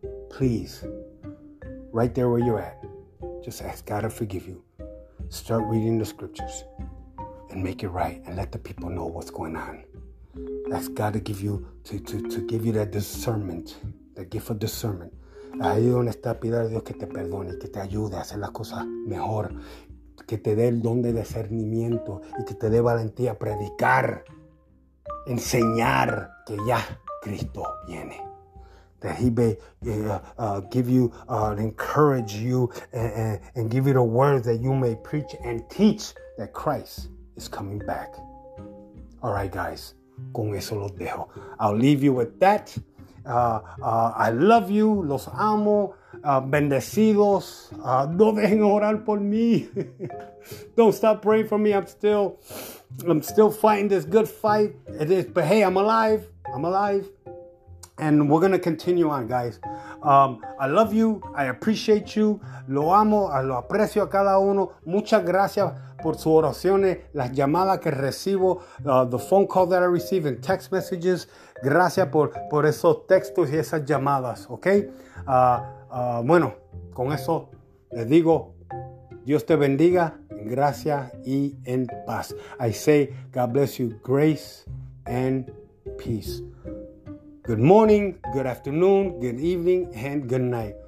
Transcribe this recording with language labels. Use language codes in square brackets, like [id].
[en] Please, right there where you're at, just ask God to forgive you. Start reading the scriptures and make it right and let the people know what's going on. Ask God to give you to give you that discernment, the gift of discernment. [es] Ahí donde está, pida a Dios que te perdone, que te ayude a hacer las cosas mejor, que te dé el don de discernimiento y que te dé valentía a predicar, enseñar que ya Cristo viene. [en] That he may give you, encourage you, and give you the word that you may preach and teach that Christ is coming back. All right, guys. [es] Con eso los dejo. [en] I'll leave you with that. I love you. [es] Los amo. Bendecidos. No dejen orar por mí. [en] Don't stop praying for me. I'm still fighting this good fight. It is, but hey, I'm alive. And we're going to continue on, guys. I love you. I appreciate you. [es] Lo amo. Lo aprecio a cada uno. Muchas gracias por sus oraciones, las llamadas que recibo, [en] the phone calls that I receive and text messages. [es] Gracias por esos textos y esas llamadas, ¿ok? Bueno, con eso les digo, Dios te bendiga, gracias y en paz. [en] I say, God bless you, grace and peace. Good morning, good afternoon, good evening, and good night.